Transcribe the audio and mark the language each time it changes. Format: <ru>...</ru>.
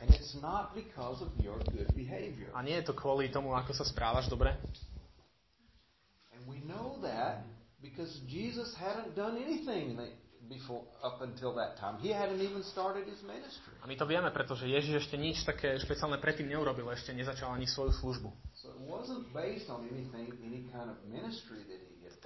<en>And it's not because of your good behavior.</en> <sk>A nie je to kvôli tomu, ako sa správaš dobre.</sk> <en>And we know that because Jesus hadn't done anything before up until that time he hadn't even started his ministry.</en> <sk>A my to vieme, pretože Ježiš ešte nič také špeciálne predtým neurobil, ešte nezačal ani svoju službu.</sk> <en>So it wasn't based on anything, any kind of ministry that he had.</en>